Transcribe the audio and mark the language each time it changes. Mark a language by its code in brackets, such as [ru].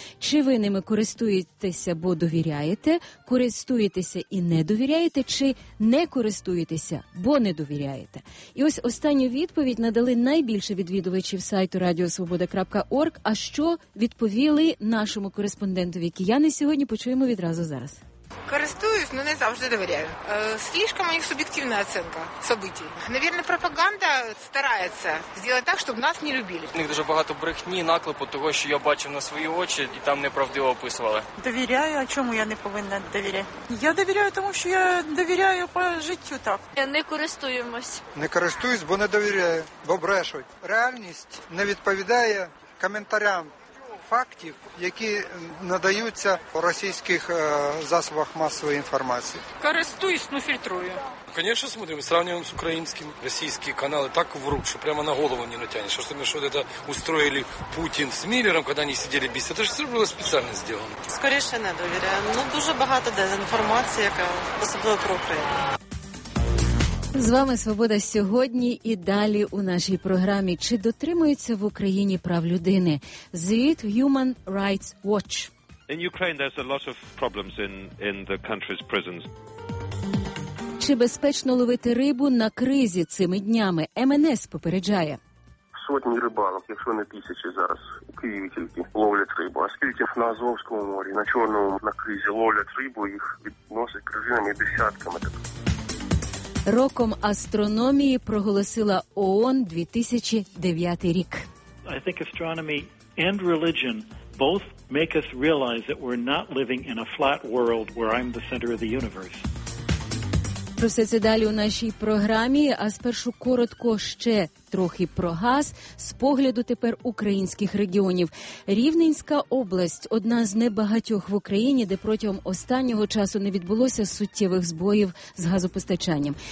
[uk] Чи ви ними користуєтеся, бо довіряєте, користуєтеся і не довіряєте, чи не користуєтеся, бо не довіряєте? І ось останню відповідь надали найбільше відвідувачів сайту radiosvoboda.org. А що відповіли нашому кореспондентові Кіяни, сьогодні почуємо відразу зараз. Користуюсь, [ru] но [uk] не завжди [ru] доверяю. Слишком у них субъективная оценка событий. Наверное, пропаганда старается сделать так, чтобы нас не любили. [uk] У них дуже багато брехні, наклепу того, що я бачив на свої очі, і там неправдиво описували. [ru] Доверяю, [uk] а чому я не повинна довіряти? Я довіряю тому, що я довіряю по життю так. Я не користуємось. Не користуюсь, бо не довіряю, бо брешуть. Реальність не відповідає коментарям фактів, які надаються у російських засобах масової інформації. Користуюсь, ну фільтрую. Звісно, [ru] смотрю, [uk] сравнюємо з українським. Російські канали так вруть, що прямо на голову не натягнеш. Що ми щось устроїли Путін з Міллером, коли вони сиділи біся. Це ж все було спеціально зроблено. Скоріше не довіряю. Ну, дуже багато дезінформації, яка особливо про Україну. З вами «Свобода сьогодні» і далі у нашій програмі. Чи дотримуються в Україні прав людини? Звіт Human Rights Watch. [en] In Ukraine there's a lot of problems in the country's prisons. [uk] Чи безпечно ловити рибу на кризі цими днями? МНС попереджає. Сотні рибалок, якщо не тисячі зараз у Києві тільки ловлять рибу. А скільки на Азовському морі, на Чорному, на кризі ловлять рибу, їх відносять кризинами десятками. Роком астрономії проголосила ООН 2009 рік. [en] I think astronomy and religion both make us realize that we're not living in a flat world where I'm the center of the universe. [uk] Про все це далі у нашій програмі, а спершу коротко ще трохи про газ з погляду тепер українських регіонів. Рівненська область – одна з небагатьох в Україні, де протягом останнього часу не відбулося суттєвих збоїв з газопостачанням.